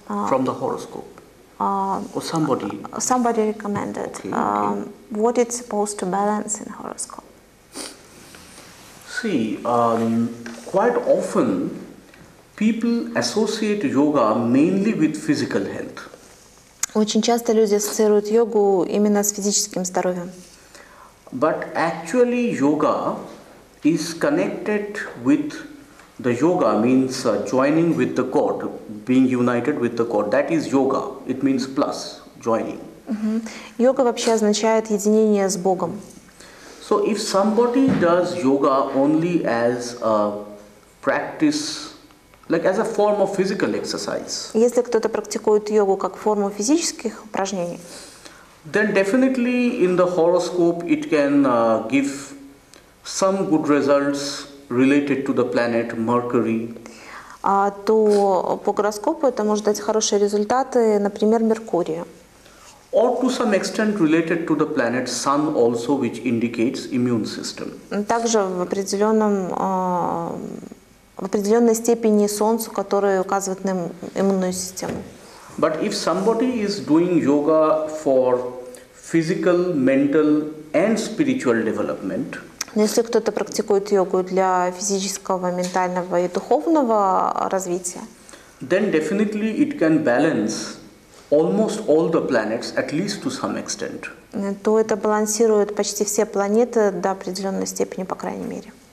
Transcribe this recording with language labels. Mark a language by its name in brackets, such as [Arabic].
[English] from the horoscope, Or somebody. Somebody recommended. Okay. What it's supposed to balance in horoscope? See, quite often people associate yoga mainly with physical health. [Russian] Очень часто люди ассоциируют йогу именно с физическим здоровьем. [English] But actually yoga is connected with the yoga means joining with the God, being united with the God. That is yoga. It means plus, joining. [Russian] Йога вообще означает единение с Богом. [English] So if somebody does yoga only as a practice, like as a form of physical exercise. [Russian] Если кто-то практикует йогу как форму физических упражнений. [English] Then definitely in the horoscope it can give some good results related to the planet Mercury. [Russian] То по гороскопу это может дать хорошие результаты, например, Меркурию. [English] Or to some extent related to the planet Sun also, which indicates immune system. [Russian] Также в определенной степени Солнцу, которое указывает на иммунную систему. [English] But if somebody is doing yoga for physical, mental and spiritual development. [Russian] Но если кто-то практикует йогу для физического, ментального и духовного развития. [English] Then definitely it can balance almost all the planets at least to some extent. [Russian] То это балансирует почти все планеты до определенной степени, по крайней мере.